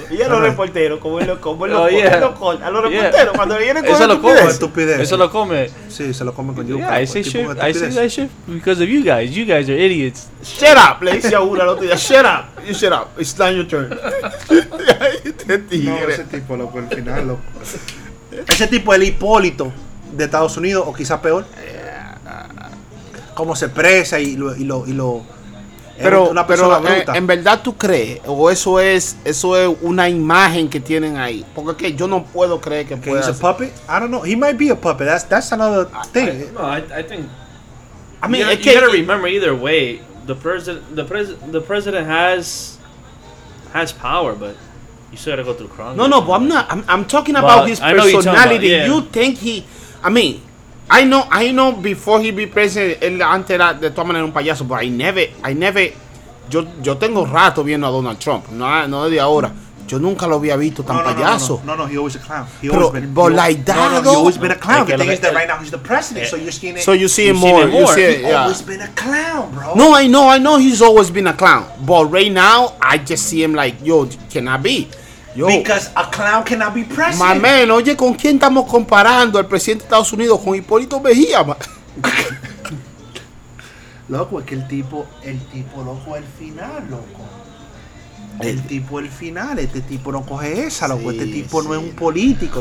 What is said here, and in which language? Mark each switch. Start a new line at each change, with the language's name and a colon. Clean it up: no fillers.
Spanish: Y a los reporteros, como él lo corta. A los reporteros, cuando vienen con estupidez. Eso lo come. Sí, se lo come con yuca.
English: I say that shit because of you guys. You guys are idiots. Shut up.
Spanish: Le dice a una al otro día,
English: shut up. You shut up. It's not your turn.
Spanish: No, ese tipo, loco, al final, loco. Ese tipo, el Hipólito. De Estados Unidos, o quizás peor, cómo se expresa y lo pero, una persona pero, bruta. En verdad, tú crees, o eso es una imagen que tienen ahí, porque ¿qué? Yo no puedo creer que pueda. ¿Es un puppet?
English: I don't know, he might be a puppet, that's another thing. I think, you gotta remember either way, the president has power, but. You still gotta go through Congress. No, but I'm talking about his personality. Yeah. You think he. I mean, I know before he be president,
Spanish: él antes era de todas maneras un payaso,
English: but I never,
Spanish: yo tengo rato viendo a Donald Trump, no desde ahora, yo nunca lo había visto tan payaso.
English: No, he always a clown. He always been a clown. The thing is that right now he's the president, so you're seeing it. So you see him more. Always been a clown, bro. No, I know he's always been a clown, but right now, I just see him like, yo, can I be? Yo, because a clown cannot be president. My man,
Spanish: oye, ¿con quién estamos comparando al presidente de Estados Unidos? Con Hipólito Mejía, man. Loco, es que el tipo loco el final, loco. El tipo el final, este tipo no coge esa, loco. Sí, este tipo sí, no es un político.